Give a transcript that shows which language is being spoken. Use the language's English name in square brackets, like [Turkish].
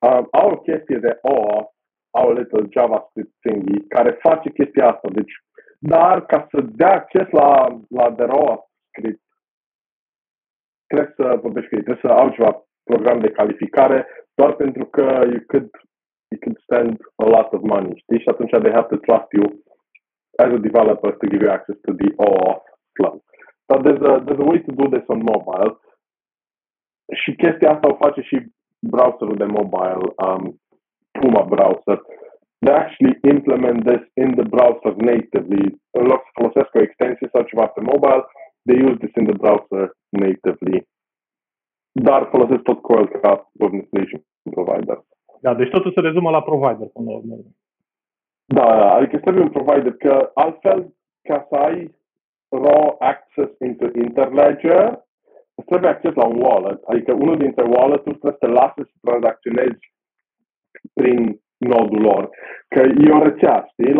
[Romanian] Au o chestie de OAuth, au [English] little JavaScript thingy, [Romanian] care face chestia asta. Deci, dar ca să dea acces la [English] the OAuth script, [Romanian] trebuie să au ceva program de calificare, doar pentru că [English] you could spend a lot of money, [Romanian] știi? Și atunci [English] they have to trust you as a developer to give you access to the OAuth plug. But there's a way to do this on mobile. [Romanian] Și chestia asta o face și browserul de mobile, Puma browser. [English] They actually implement this in the browser natively. [Romanian] În loc să folosesc o extensie sau ceva pe mobile, [English] they use this in the browser natively. [Romanian] Dar folosesc tot Coil ca web installation provider. Da, deci totul se rezumă la provider, până la urmă. Da, adică trebuie un provider, că altfel, ca să ai [English] raw access into Interledger, [Romanian] trebuie acces la un wallet, adică unul dintre wallet-uri trebuie să te lasă să tranzacționezi prin nodul lor, că e o rețea, știi?